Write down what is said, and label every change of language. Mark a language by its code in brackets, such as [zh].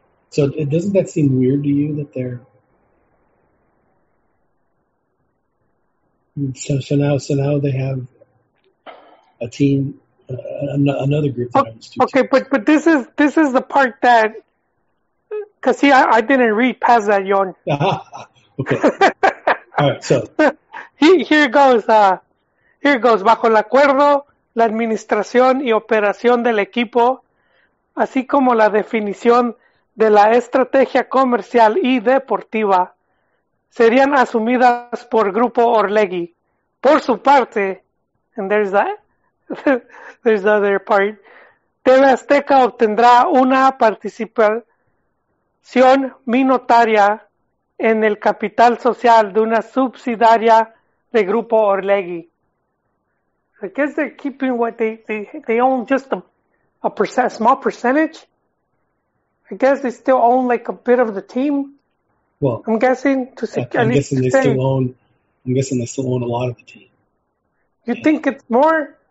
[en] So, doesn't that seem weird to you that they're so now they have a team, another group that owns two teams. Okay, but this is the part that because see, I didn't read past that, Yon. Okay. All right. So here it goes. Here goes, [es] bajo el acuerdo, la administración y operación del equipo, así como la definición de la estrategia comercial y deportiva, serían asumidas por Grupo Orlegi. Por su parte, [en] and there's that, there's the other part, [es] TV Azteca obtendrá una participación minoritaria en el capital social de una subsidiaria de Grupo Orlegi. [en] I guess they're keeping what they own, just a small percentage. I guess they still own like a bit of the team. Well, I'm guessing to secure. I'm guessing they still own. I'm guessing they still own a lot of the team. You and think it's more?